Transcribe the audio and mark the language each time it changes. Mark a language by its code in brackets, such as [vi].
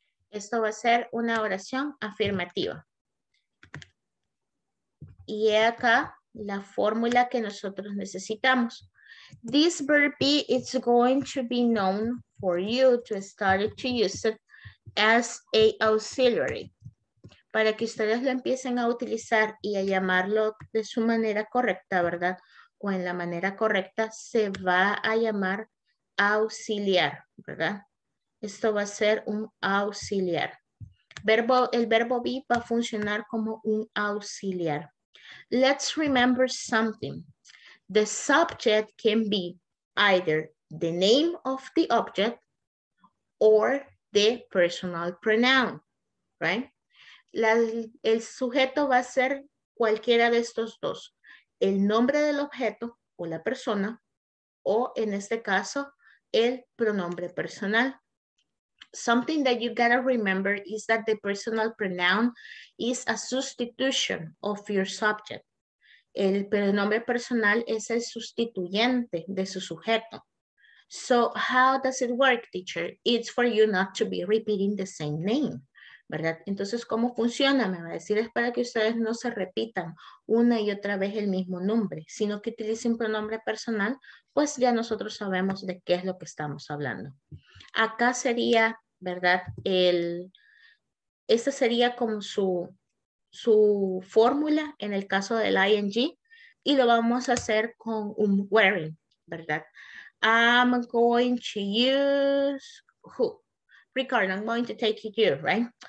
[es] Esto va a ser una oración afirmativa. Y acá la fórmula que nosotros necesitamos. [en] This verb be, it's going to be known for you to start to use it as a auxiliary. [es] Para que ustedes lo empiecen a utilizar y a llamarlo de su manera correcta, ¿verdad? O en la manera correcta, se va a llamar auxiliar, ¿verdad? Esto va a ser un auxiliar. El verbo be va a funcionar como un auxiliar. [en] Let's remember something. The subject can be either the name of the object or the personal pronoun, right? [es] El sujeto va a ser cualquiera de estos dos. El nombre del objeto o la persona, o en este caso, el pronombre personal. [en] Something that you gotta remember is that the personal pronoun is a substitution of your subject. [es] El pronombre personal es el sustituyente de su sujeto. [en] So how does it work, teacher? It's for you not to be repeating the same name, ¿verdad? [es] Entonces, ¿cómo funciona? Me va a decir, es para que ustedes no se repitan una y otra vez el mismo nombre, sino que utilicen pronombre personal, pues ya nosotros sabemos de qué es lo que estamos hablando. Acá sería, ¿verdad? Esta sería como su fórmula en el caso del ing, y lo vamos a hacer con un wearing, ¿verdad? [en] I'm going to use who? Ricardo, I'm going to take you here, right?